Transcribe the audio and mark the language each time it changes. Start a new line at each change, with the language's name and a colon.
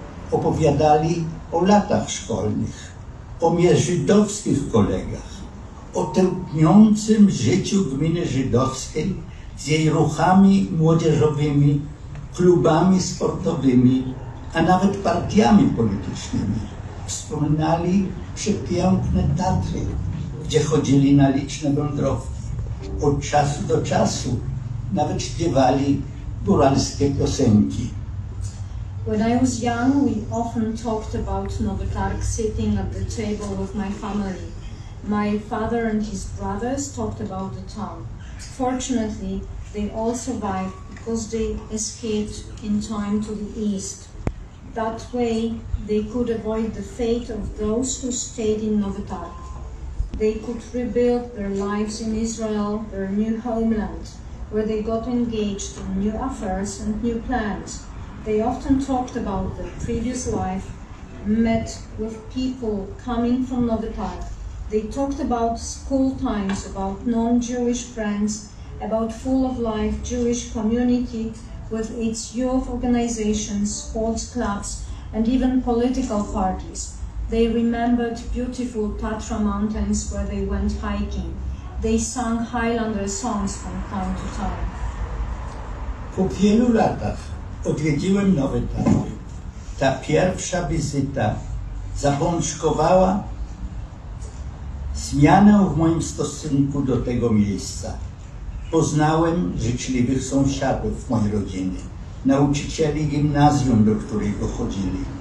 Polish: Opowiadali o latach szkolnych, o międzyżydowskich kolegach, o tętniącym życiu gminy żydowskiej z jej ruchami młodzieżowymi, klubami sportowymi, a nawet partiami politycznymi. Wspominali przepiękne Tatry, gdzie chodzili na liczne wędrówki. Od czasu do czasu nawet śpiewali góralskie piosenki.
English: When I was young, we often talked about Nowy Targ sitting at the table with my family. My father and his brothers talked about the town. Fortunately, they all survived because they escaped in time to the east. That way, they could avoid the fate of those who stayed in Nowy Targ. They could rebuild their lives in Israel, their new homeland, where they got engaged in new affairs and new plans. They often talked about their previous life, met with people coming from Nowy Targ. They talked about school times, about non-Jewish friends, about full of life Jewish community, with its youth organizations, sports clubs, and even political parties. They remembered beautiful Tatra mountains where they went hiking. They sang Highlander songs from town to town.
Polish: Po wielu latach odwiedziłem Nowy Targ. Ta pierwsza wizyta zapączkowała zmianę w moim stosunku do tego miejsca. Poznałem życzliwych sąsiadów mojej rodziny, nauczycieli gimnazjum, do której pochodzili.